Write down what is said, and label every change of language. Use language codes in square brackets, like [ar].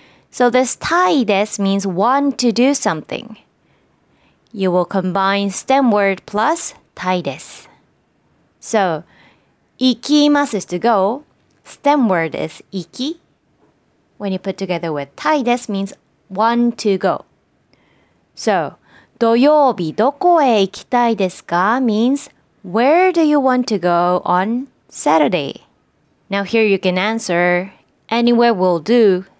[en] So this 行きたいです means want to do something. You will combine stem word plus 行きたいです. So, 行きます is to go. Stem word is 行き. When you put together with 行きたいです means want to go. [ja] So, 土曜日どこへ行きたいですか? [en] Means where do you want to go on Saturday? Now here you can answer, anywhere will do.